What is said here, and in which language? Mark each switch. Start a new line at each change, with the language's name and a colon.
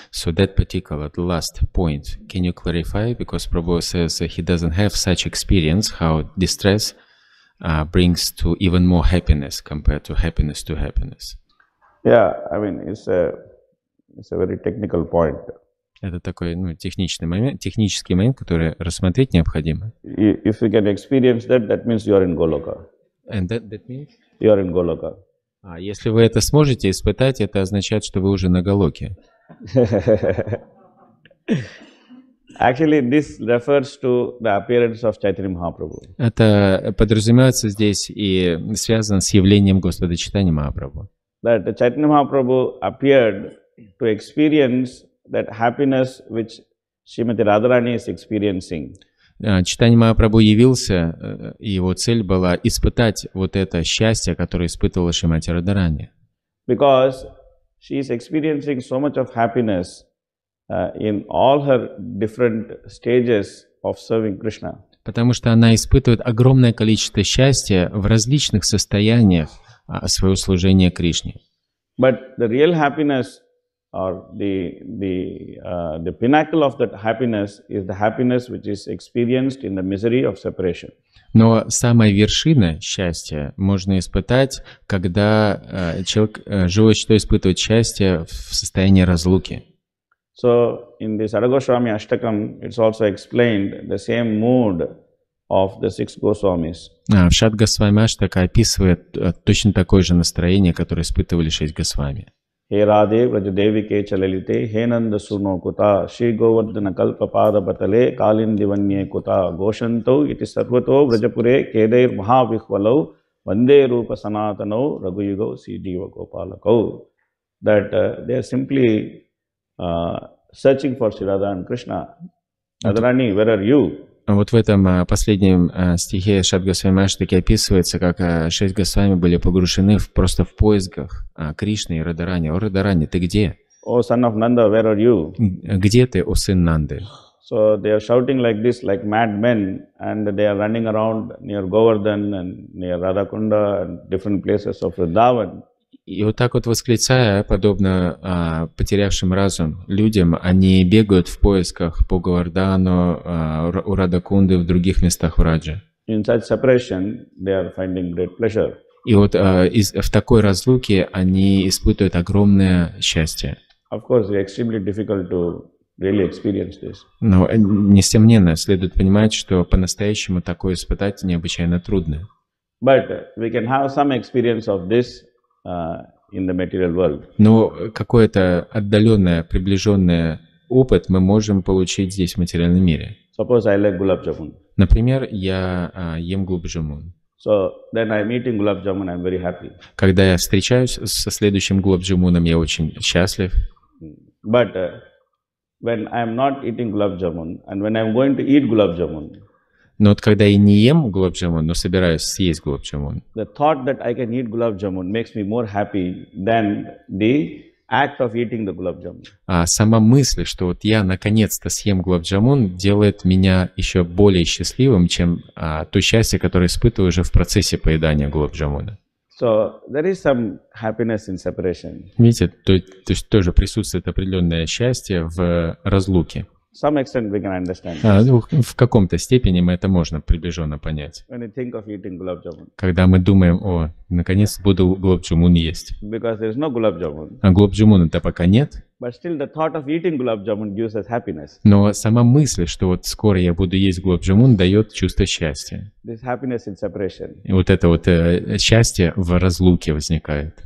English: So that particular, the last point, can you clarify? Because Prabhu says he doesn't have such experience how distress brings to even more happiness compared to happiness to happiness. Yeah, I mean it's a very technical point.
Russian: Это такой, ну, технический момент, который рассмотреть необходимо.
English: If you can experience that, that means you are in Goloka. And that means you are in Goloka.
Russian: А если вы это сможете испытать, это означает, что вы уже на Голоке.
English: Actually, this refers to the appearance of Chaitanya Mahaprabhu.
Russian: Это подразумевается здесь и связано с явлением Господа Чайтаньи Махапрабху.
English: That Chaitanya Mahaprabhu appeared to experience that happiness which Shrimati Radharani is experiencing.
Russian: Чайтанья Махапрабху явился, и его цель была испытать вот это счастье, которое испытывала Шримати Радхарани.
English: Because she is experiencing so much of happiness in all her different stages of serving Krishna.
Russian: Потому что она испытывает огромное количество счастья в различных состояниях своего служения Кришне.
English: But the real happiness or the pinnacle of that happiness is the happiness which is experienced in the misery of separation.
Russian: Но самая вершина счастья можно испытать, когда человек, живое существо испытывает счастье в состоянии разлуки.
English: So in the Saragoswami Ashtakam, it's also explained the same mood of the six Goswamis.
Russian: В Шатгасвами Аштака описывает точно такое же настроение, которое испытывали шесть Госвами.
Sanskrit: Hey Radhe, Vraja Devike Chalalite, Hey Nanda Surno Kuta, Shri Govardhana Kalpa Pada Patale, Kalindi Vanye Kuta, Goshanto, Iti Sarvato, Vrajapure, Kedair Mahavihvalo, Vande Rupa Sanatano, Raguyugo, Si Diva Gopalako.
English: That they are simply searching for Sridhara and Krishna. Radharani, where are you?
Russian: Вот в этом последнем стихе Шат Госвами Аштаки описывается, как шесть Госвами были погружены просто в поисках Кришны и Радарани. О, Радарани, ты где?
English: О, son of Nanda, where are you?
Russian: Где ты, о сын Нанды?
English: So they are shouting like this, like madmen, and they are running around near Govardhan and near Radhakunda and different places of Vrindavan.
Russian: И вот так вот восклицая, подобно потерявшим разум людям, они бегают в поисках по Говардану, у Радакунды, в других местах в Радже.
English: In such separation, they are finding great pleasure.
Russian: И вот в такой разлуке они испытывают огромное счастье.
English: Of course, it's extremely difficult to really experience this.
Russian: Но, несомненно, следует понимать, что по-настоящему такое испытать необычайно трудно.
English: But we can have some experience of this. In the material world.
Russian: Но какой-то отдаленный, приближенный опыт мы можем получить здесь, в материальном мире.
English: Suppose I like gulab jamun.
Russian: Например, я ем gulab jamun.
English: So then I'm eating gulab jamun, I'm very happy.
Russian: Когда я встречаюсь со следующим gulab jamunом, я очень счастлив.
English: But when I'm not eating gulab jamun, and when I'm going to eat gulab jamun,
Russian: но вот когда я не ем gulab jamun, но собираюсь съесть gulab jamun.
English: The thought that I can eat gulab jamun makes me more happy than the act of eating the gulab jamun.
Russian: А сама мысль, что вот я наконец-то съем gulab jamun, делает меня еще более счастливым, чем то счастье, которое испытываю уже в процессе поедания gulab jamun.
English: So there is some happiness in separation.
Russian: Видите, то есть тоже присутствует определенное счастье в разлуке.
English: Some extent we can understand.
Russian: В каком-то степени мы это можно приближенно понять.
English: When you think of eating gulab jamun.
Russian: Когда мы думаем, о, наконец буду gulab jamun есть.
English: Because there is no gulab jamun.
Russian: А gulab jamun-то пока нет.
English: But still the thought of eating gulab jamun gives us happiness.
Russian: Но сама мысль, что вот скоро я буду есть gulab jamun, дает чувство счастья.
English: This happiness in separation.
Russian: И вот это вот счастье в разлуке возникает.